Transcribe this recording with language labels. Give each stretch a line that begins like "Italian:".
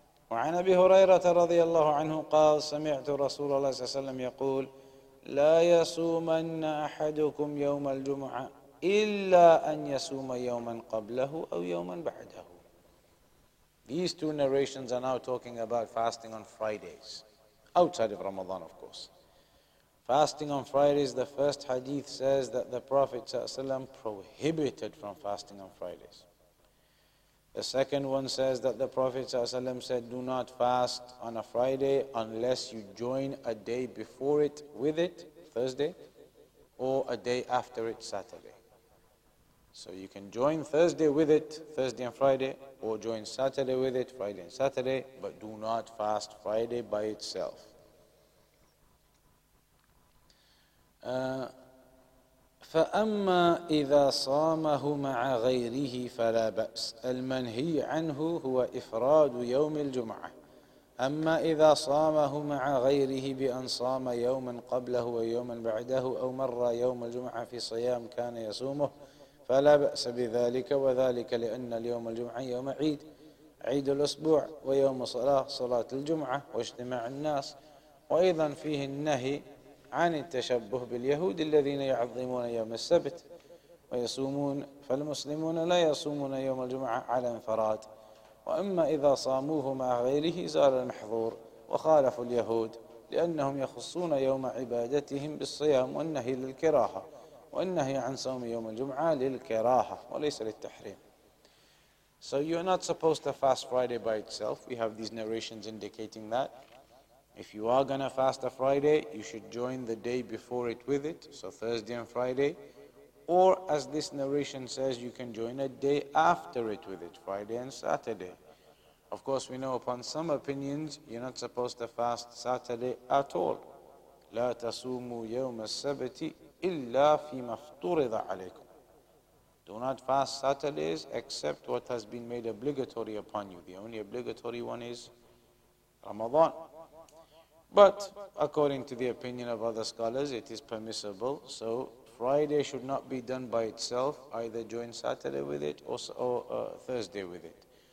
Arabic: وعن أبي هريرة رضي الله عنه قال سمعت رسول الله صلى الله عليه وسلم يقول لا يصومن أحدكم يوم الجمعة إلا أن يصوم يوما قبله أو يوما بعده.
English: These two narrations are now talking about fasting on Fridays, outside of Ramadan of course. Fasting on Fridays, the first hadith says that the Prophet ﷺ prohibited from fasting on Fridays. The second one says that the Prophet ﷺ said, do not fast on a Friday unless you join a day before it with it, Thursday, or a day after it, Saturday. So you can join Thursday with it, Thursday and Friday, or join Saturday with it, Friday and Saturday, but do not fast Friday by itself.
Arabic: فأما إذا صامه مع غيره فلا بأس المنهي عنه هو إفراد يوم الجمعة أما إذا صامه مع غيره بأن صام يوما قبله ويوما بعده أو مر يوم الجمعة في صيام كان يصومه فلا بأس بذلك وذلك لأن اليوم الجمعة يوم عيد عيد الأسبوع ويوم صلاة صلاة الجمعة واجتماع الناس وأيضا فيه النهي عن التشبه باليهود الذين يعظمون يوم السبت ويصومون فالمسلمون لا يصومون يوم الجمعة على انفراد وأما إذا صاموه مع غيره زار المحظور وخالفوا اليهود لأنهم يخصون يوم عبادتهم بالصيام والنهي للكراهة والنهي عن صوم يوم الجمعة للكراهة وليس للتحريم.
English: So you're not supposed to fast Friday by itself. We have these narrations indicating that. If you are going to fast a Friday, you should join the day before it with it, so Thursday and Friday. Or, as this narration says, you can join a day after it with it, Friday and Saturday. Of course, we know upon some opinions, you're not supposed to fast Saturday at all.
Arabic: لا تصوموا يوم السبت إلا فيما افترض عليكم.
English: Do not fast Saturdays except what has been made obligatory upon you. The only obligatory one is Ramadan. But according to the opinion of other scholars, it is permissible. So Friday should not be done by itself, either join Saturday with it or Thursday with it.